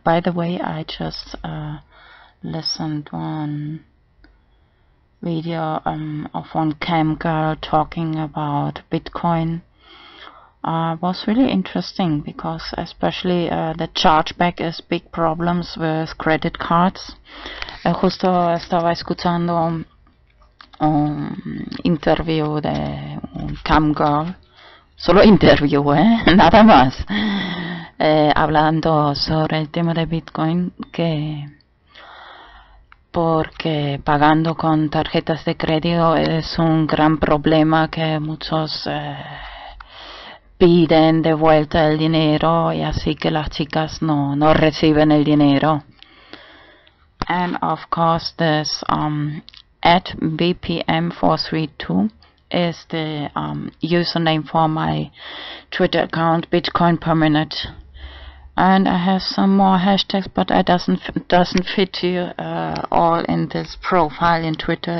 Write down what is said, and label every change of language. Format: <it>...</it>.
<en>By the way, I just listened one video of one cam girl talking about Bitcoin. Was really interesting because especially the chargeback is big problems with credit cards.</en> <es>Justo estaba escuchando un interview de un cam girl. Solo interview, nada más. Hablando sobre el tema de Bitcoin, que porque pagando con tarjetas de crédito es un gran problema, que muchos piden de vuelta el dinero y así que las chicas no reciben el dinero.</es> <en>And of course this at BPM432 is the username for my Twitter account, Bitcoin per minute. And I have some more hashtags, but I doesn't fit you all in this profile in Twitter.</en>